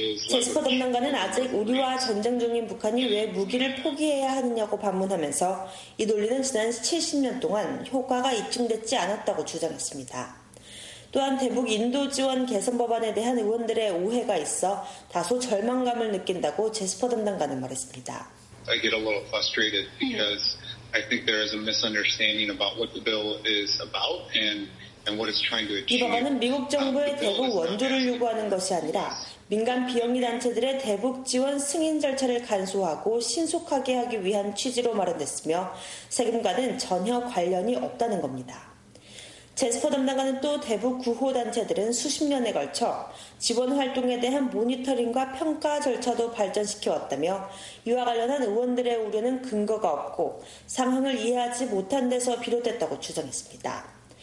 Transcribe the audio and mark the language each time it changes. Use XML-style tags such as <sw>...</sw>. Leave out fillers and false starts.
<ko>제스퍼 담당관은 아직 우리와 전쟁 중인 북한이 왜 무기를 포기해야 하느냐고 반문하면서 이 논리는 지난 70년 동안 효과가 입증됐지 않았다고 주장했습니다. 또한 대북 인도 지원 개선 법안에 대한 의원들의 오해가 있어 다소 절망감을 느낀다고 제스퍼 담당관은 말했습니다.</ko> <en>I get a little frustrated because I think there is a misunderstanding about what the bill is about and</en> <ko>이 법안은 미국 정부의 대북 원조를 요구하는 것이 아니라 민간 비영리 단체들의 대북 지원 승인 절차를 간소화하고 신속하게 하기 위한 취지로 마련됐으며 세금과는 전혀 관련이 없다는 겁니다. 제스퍼 담당관은 또 대북 구호 단체들은 수십 년에 걸쳐 지원 활동에 대한 모니터링과 평가 절차도 발전시켜왔다며 이와 관련한 의원들의 우려는 근거가 없고 상황을 이해하지 못한 데서 비롯됐다고 주장했습니다.</ko>